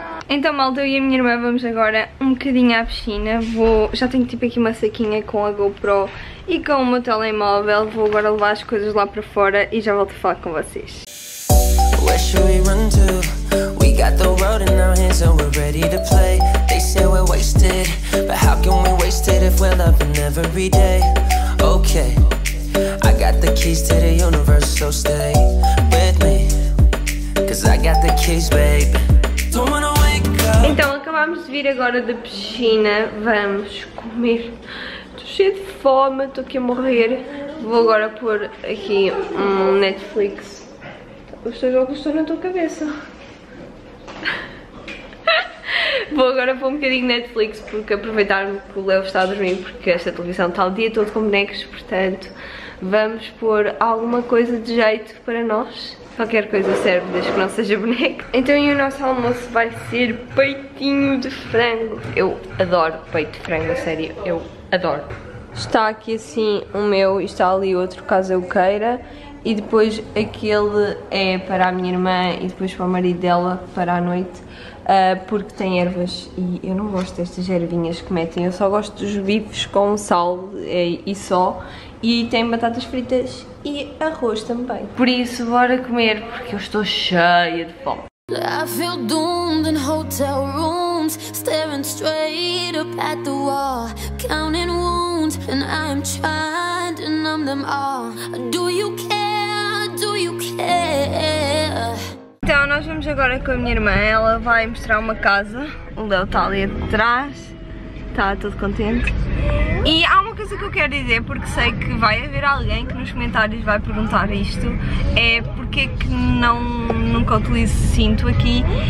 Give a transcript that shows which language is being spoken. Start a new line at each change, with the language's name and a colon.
Portuguese: Então, malta, eu e a minha irmã vamos agora um bocadinho à piscina. Já tenho tipo aqui uma saquinha com a GoPro e com o meu telemóvel. Vou agora levar as coisas lá para fora e já volto a falar com vocês.
English: Where should we run to? We got the world in our hands and we're ready to play. They say we're wasted, but how can we waste it if we're loving every day? Okay, I got the keys to the universe, so stay with me, 'cause I got the keys, babe. Don't wanna wake up.
Portuguese: Então acabamos de vir agora da piscina, vamos comer. Estou cheia de fome, estou aqui a morrer. Vou agora pôr aqui um Netflix. Os teus jogos estão na tua cabeça. Vou agora pôr um bocadinho Netflix porque aproveitar que o Leo está a dormir porque esta televisão está o dia todo com bonecos, portanto vamos pôr alguma coisa de jeito para nós. Qualquer coisa serve, desde que não seja boneco. Então e o nosso almoço vai ser peitinho de frango. Eu adoro peito de frango, a sério, eu adoro. Está aqui assim o meu e está ali outro, caso eu queira. E depois aquele é para a minha irmã e depois para o marido dela para a noite, porque tem ervas e eu não gosto destas ervinhas que metem, eu só gosto dos bifes com sal e só, e tem batatas fritas e arroz também. Por isso, bora comer porque eu estou cheia de fome.
English: I feel doomed in hotel rooms, staring straight up at the wall, counting wounds, and I'm trying to numb them all. Do you care? Do you care?
Portuguese: Então, nós vamos agora com a minha irmã. Ela vai mostrar uma casa. O Leo está ali atrás, está todo contente. E há uma coisa que eu quero dizer, porque sei que vai haver alguém que nos comentários vai perguntar isto, é porque é que nunca utilizo cinto aqui.